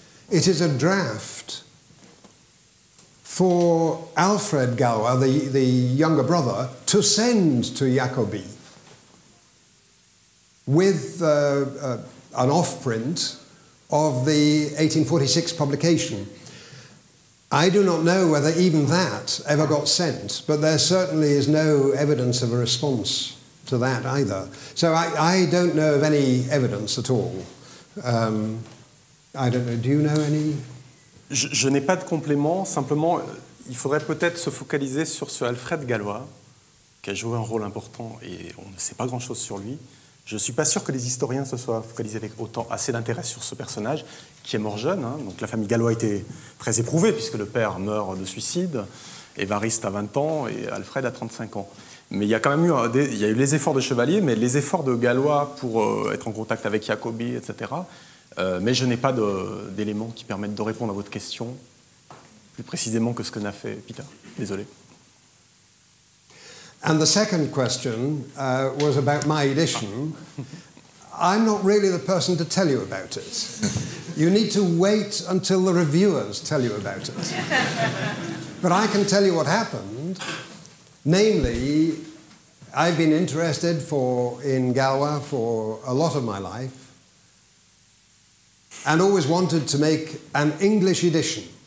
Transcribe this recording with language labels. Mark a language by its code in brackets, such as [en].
[en] It is a draft for Alfred Galois, the younger brother, to send to Jacobi with an off-print of the 1846 publication. I do not know whether even that ever got sent, but there certainly is no evidence of a response to that either. So I don't know of any evidence at all. I don't know, do you know any? [fr] Je n'ai pas de complément, simplement, il faudrait peut-être se focaliser sur ce Alfred Galois, qui a joué un rôle important et on ne sait pas grand-chose sur lui. Je ne suis pas sûr que les historiens se soient focalisés avec autant assez d'intérêt sur ce personnage, qui est mort jeune. Hein. Donc la famille Galois était très éprouvée, puisque le père meurt de suicide, Évariste a 20 ans et Alfred a 35 ans. Mais il y a quand même eu les efforts de Chevalier, mais les efforts de Galois pour être en contact avec Jacobi, etc. Mais je n'ai pas d'éléments qui permettent de répondre à votre question, plus précisément que ce que n'a fait Peter. Désolé. [en] And the second question was about my edition. I'm not really the person to tell you about it. You need to wait until the reviewers tell you about it. But I can tell you what happened. Namely, I've been interested in Galois for a lot of my life and always wanted to make an English edition.